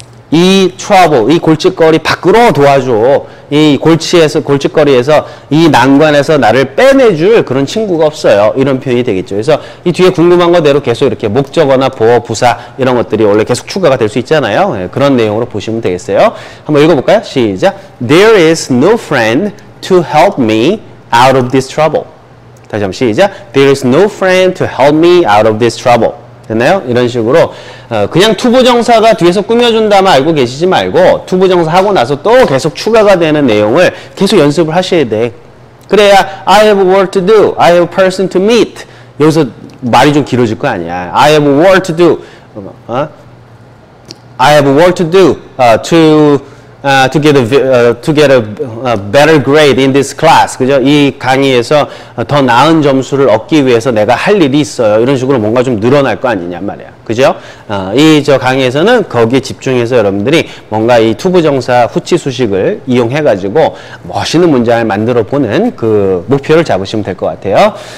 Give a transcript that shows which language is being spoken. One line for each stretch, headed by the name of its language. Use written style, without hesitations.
Korean: 이 trouble, 이 골칫거리 밖으로 도와줘. 이 골칫거리에서 이 난관에서 나를 빼내줄 그런 친구가 없어요. 이런 표현이 되겠죠. 그래서 이 뒤에 궁금한 거대로 계속 이렇게 목적어나 보어, 부사 이런 것들이 원래 계속 추가가 될 수 있잖아요. 그런 내용으로 보시면 되겠어요. 한번 읽어볼까요? 시작.
English: There is no friend to help me out of this trouble.
Korean: 다시 한번 시작.
English: There is no friend to help me out of this trouble.
Korean: 됐나요? 이런 식으로 그냥 투부정사가 뒤에서 꾸며준다만 알고 계시지 말고 투부정사 하고 나서 또 계속 추가가 되는 내용을 계속 연습을 하셔야 돼. 그래야
English: I have a work to do. I have a person to meet.
Korean: 여기서 말이 좀 길어질 거 아니야.
English: I have a work to do. I have a work to do to get a better grade in this class.
Korean: 그죠? 이 강의에서 더 나은 점수를 얻기 위해서 내가 할 일이 있어요. 이런 식으로 뭔가 좀 늘어날 거 아니냐 말이야. 그죠? 이 강의에서는 거기에 집중해서 여러분들이 뭔가 이 투부정사 후치수식을 이용해가지고 멋있는 문장을 만들어 보는 그 목표를 잡으시면 될 것 같아요.